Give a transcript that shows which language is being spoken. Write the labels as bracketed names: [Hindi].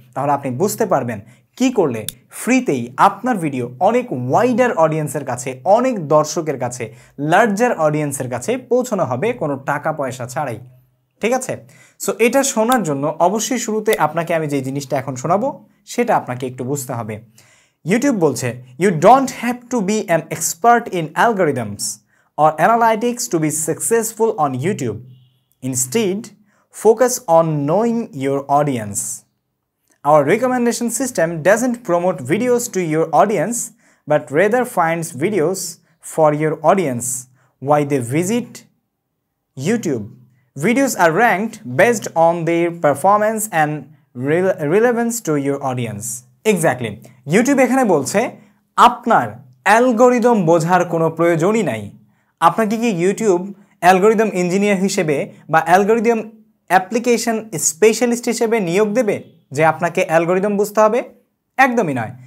[Bangla] তাহলে আপনি বুঝতে পারবেন কি করলে ফ্রিতেই আপনার ভিডিও অনেক ওয়াইডার অডিয়েন্সের কাছে, অনেক দর্শকের কাছে, লার্জার অডিয়েন্সের কাছে পৌঁছানো হবে কোনো টাকা পয়সা ছাড়াই, ঠিক আছে? সো এটা শোনার জন্য অবশ্যই শুরুতে আপনাকে আমি যে জিনিসটা এখন শোনাবো সেটা আপনাকে একটু বুঝতে হবে। ইউটিউব বলছে, [English] You don't have to be an expert in algorithms or analytics to be successful on YouTube. Instead, focus on knowing your audience. Our recommendation system doesn't promote videos to your audience, but rather finds videos for your audience, why they visit YouTube. Videos are ranked based on their performance and relevance to your audience. Exactly. [Bangla] YouTube এখানে বলছে, আপনার algorithm বোঝার কোনো প্রয়োজনই নাই। আপনাকে কি YouTube algorithm engineer হিসেবে বা অ্যালগোরিদম অ্যাপ্লিকেশন স্পেশালিস্ট হিসেবে নিয়োগ দেবে যে আপনাকে অ্যালগোরিদম বুঝতে হবে? একদমই নয়।